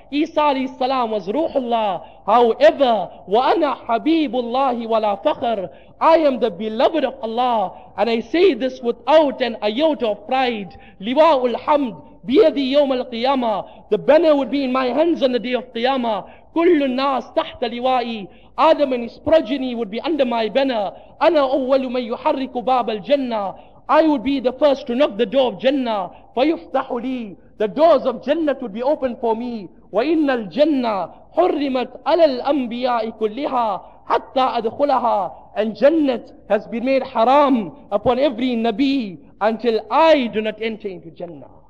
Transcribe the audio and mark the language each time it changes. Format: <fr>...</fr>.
<en>Isa alayhi salam was Ruhullah. However,</en> <ar>وَأَنَا حَبِيبُ اللَّهِ وَلَا فَخَرٍ,</ar> <en>I am the beloved of Allah, and I say this without an iota of pride.</en> <ar>لِوَاءُ الْحَمْدِ بِيَذِي يَوْمَ الْقِيَامَةِ,</ar> <en>the banner would be in my hands on the day of Qiyamah.</en> <ar>كُلُّ النَّاسِ تَحْتَ لِوَائِي,</ar> <en>Adam and his progeny would be under my banner.</en> <ar>أَنَا أَوَّلُ مَنْ يُحَرِّكُ بَابَ الْجَنَّةِ,</ar> <en>I would be the first to knock the door of Jannah.</en> <ar>فَيُفْتَحُ لِي.</ar> <en>The doors of Jannah would be open for me.</en> <ar>وَإِنَّ الْجَنَّةِ حُرِّمَتْ عَلَى الْأَنْبِيَاءِ كُلِّهَا حَتَّى أَدْخُلَهَا.</ar> <en>And Jannah has been made haram upon every Nabi until I do not enter into Jannah.</en>